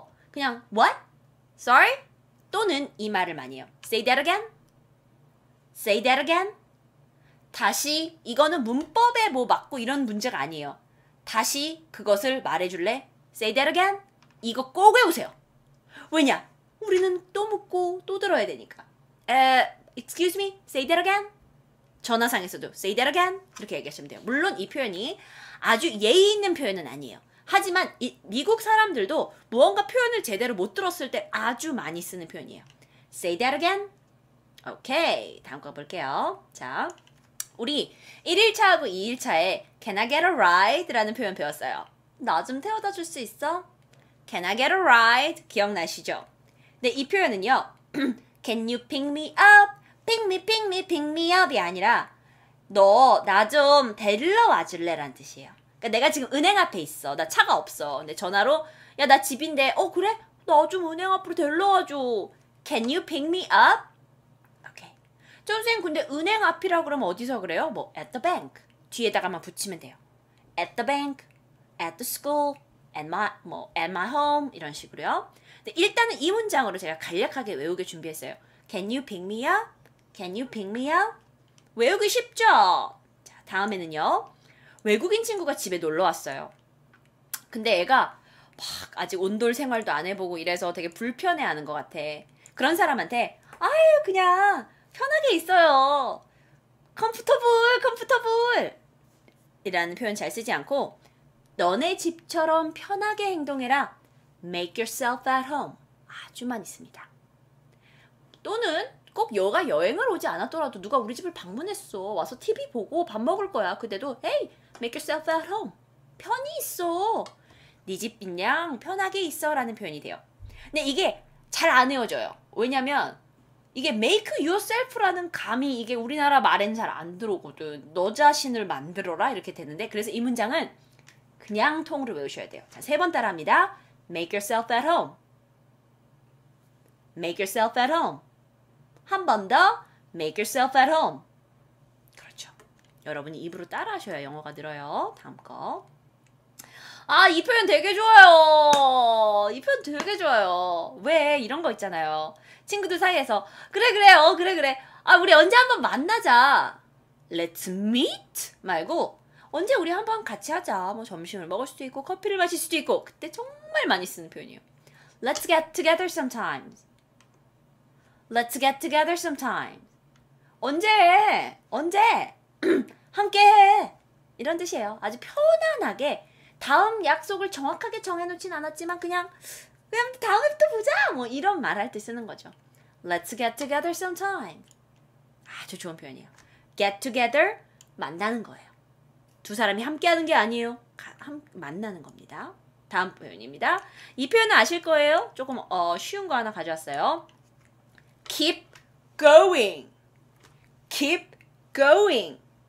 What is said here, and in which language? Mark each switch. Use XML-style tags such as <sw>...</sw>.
<en>그냥 what? sorry? 또는 이 말을 많이 해요. say that again? say that again?</en> <ko>다시 이거는 문법에 뭐 맞고 이런 문제가 아니에요. 다시 그것을 말해줄래? say that again? 이거 꼭 외우세요. 왜냐? 우리는 또 묻고 또 들어야 되니까.</ko> <en>Excuse me, say that again. 전화상에서도 say that again.</en> <ko>이렇게 얘기하시면 돼요. 물론 이 표현이 아주 예의 있는 표현은 아니에요. 하지만 미국 사람들도 무언가 표현을 제대로 못 들었을 때 아주 많이 쓰는 표현이에요. Say that again. 오케이, 다음 거 볼게요. 자, 우리 1일차하고 2일차에 Can I get a ride? 라는 표현 배웠어요. 나 좀 태워다 줄 수 있어? Can I get a ride? 기억나시죠? 네, 이 표현은요.</ko> <en>Can you pick me up?</en> <ko>Pick me, pick me, pick me up이 아니라 너 나 좀 데리러 와줄래? 라는 뜻이에요. 그러니까 내가 지금 은행 앞에 있어. 나 차가 없어. 근데 전화로 야, 나 집인데 그래? 나 좀 은행 앞으로 데리러 와줘.</ko> <en>Can you pick me up? 오케이.</en> <ko>선생님 근데 은행 앞이라고 그러면 어디서 그래요?</ko> <en>뭐 at the bank.</en> <ko>뒤에다가만 붙이면 돼요.</ko> <en>At the bank, at the school, at my home 이런 식으로요.</en> <ko>일단은 이 문장으로 제가 간략하게 외우게 준비했어요.</ko> <en>Can you pick me up? Can you pick me up? 외우기 쉽죠?</en> <ko>자, 다음에는요. 외국인 친구가 집에 놀러 왔어요. 근데 애가 막 아직 온돌 생활도 안 해보고 이래서 되게 불편해하는 것 같아. 그런 사람한테 아유 그냥 편하게 있어요. Comfortable, comfortable 이라는 표현 잘 쓰지 않고 너네 집처럼 편하게 행동해라.</ko> <en>Make yourself at home. 아주 많이 씁니다.</en> <ko>또는 꼭 여가 여행을 오지 않았더라도 누가 우리 집을 방문했어. 와서 TV 보고 밥 먹을 거야.</ko> <en>그때도 Hey, make yourself at home.</en> <ko>편히 있어. 네 집 그냥 편하게 있어 라는 표현이 돼요. 근데 이게 잘 안 외워져요. 왜냐면 이게 make yourself라는 감이 이게 우리나라 말엔 잘 안 들어오거든. 너 자신을 만들어라 이렇게 되는데 그래서 이 문장은 그냥 통으로 외우셔야 돼요. 자, 세 번 따라합니다. Make yourself at home.</ko> <en>Make yourself at home. 한 번 더. Make yourself at home. 그렇죠.</en> <ko>여러분이 입으로 따라하셔야 영어가 늘어요. 다음 거. 아, 이 표현 되게 좋아요. 이 표현 되게 좋아요. 왜? 이런 거 있잖아요. 친구들 사이에서 그래. 아, 우리 언제 한번 만나자. Let's meet 말고 언제 우리 한번 같이 하자. 뭐 점심을 먹을 수도 있고 커피를 마실 수도 있고 그때 정말 많이 쓰는 표현이에요.</ko> <en>Let's get together sometime. Let's get together sometime.</en> <ko>언제 해? 언제? 함께 해. 이런 뜻이에요. 아주 편안하게 다음 약속을 정확하게 정해놓진 않았지만 그냥 다음부터 보자. 뭐 이런 말할 때 쓰는 거죠.</ko> <en>Let's get together sometime.</en> <ko>아주 좋은 표현이에요. Get together, 만나는 거예요. 두 사람이 함께하는 게 아니에요. 만나는 겁니다. 다음 표현입니다. 이 표현은 아실 거예요. 조금 쉬운 거 하나 가져왔어요.</ko> <en>Keep going. Keep going.</en>